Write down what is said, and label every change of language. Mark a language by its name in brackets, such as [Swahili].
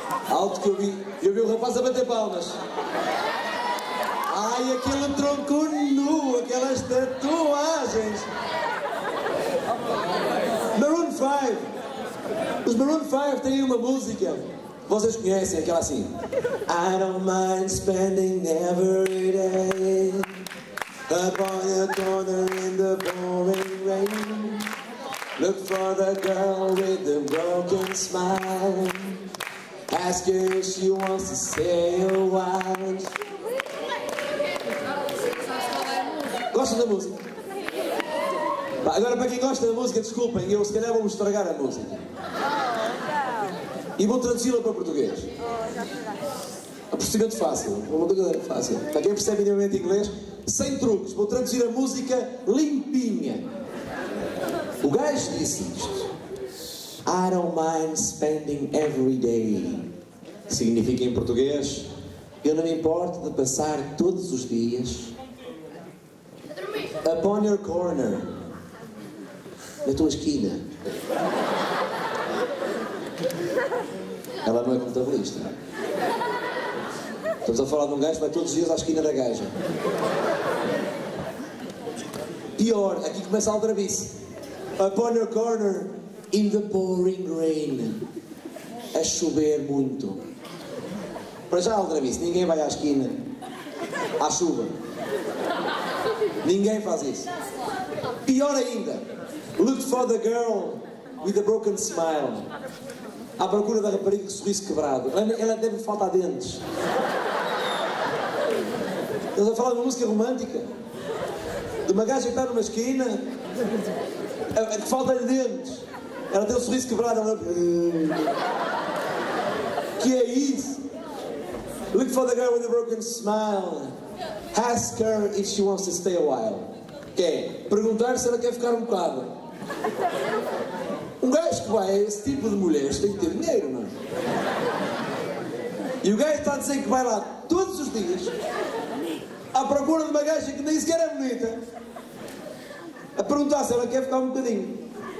[Portuguese] Alto que eu vi o rapaz a bater palmas. Ai, aquele tronco nu, aquelas tatuagens. Maroon 5. Os Maroon 5 têm uma música. Vocês conhecem aquela assim? [English] I don't mind spending every day upon a corner in the pouring rain. Look for the girl with the broken smile. Ask her if she wants to say a word. [Portuguese] Gosta da música? Agora, para quem gosta da música, desculpem, eu se calhar vou estragar a música. E vou traduzi-la para português. A português é fácil. Para quem percebe minimamente inglês, sem truques, vou traduzir a música limpinha. O gajo disse isto. [English] I don't mind spending every day. [Portuguese] Significa em português, eu não me importo de passar todos os dias upon your corner, na tua esquina. Ela não é contabilista. Estamos a falar de um gajo que vai todos os dias à esquina da gaja. Pior, aqui começa a aldrabice. Upon your corner, in the pouring rain. A chover muito. Para já, aldrabice, ninguém vai à esquina à chuva. Ninguém faz isso. Pior ainda, look for the girl with a broken smile. À procura da rapariga com o sorriso quebrado. Ela deve faltar dentes. Estás a falar de uma música romântica? De uma gaja que está numa esquina, que falta-lhe dentes. Ela tem o sorriso quebrado. Que é isso? [English] Look for the girl with a broken smile. Ask her if she wants to stay a while. [Portuguese] Que é perguntar se ela quer ficar um bocado. Um gajo que vai a esse tipo de mulheres tem que ter dinheiro, não é? E o gajo está a dizer que vai lá todos os dias à procura de uma gaja que nem sequer é bonita a perguntar se ela quer ficar um bocadinho.